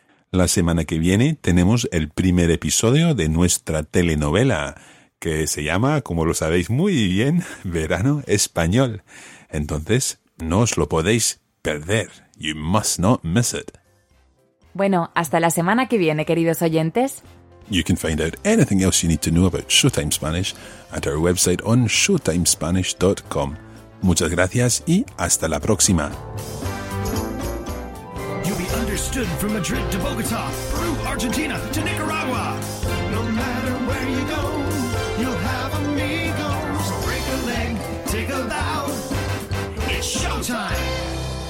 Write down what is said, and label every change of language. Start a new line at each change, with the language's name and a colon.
Spanish: La semana que viene tenemos el primer episodio de nuestra telenovela, que se llama, como lo sabéis muy bien, Verano Español. Entonces, no os lo podéis perder.
English: You must not miss it.
Spanish: Bueno, hasta la semana que viene, queridos oyentes.
English: You can find out anything else you need to know about Showtime Spanish at our website on showtimespanish.com.
Spanish: Muchas gracias y hasta la próxima.
English: You'll be understood from Madrid to Bogotá, Peru, Argentina to Nicaragua. No matter where you go, you'll have amigos. Break a leg, take a bow. It's showtime.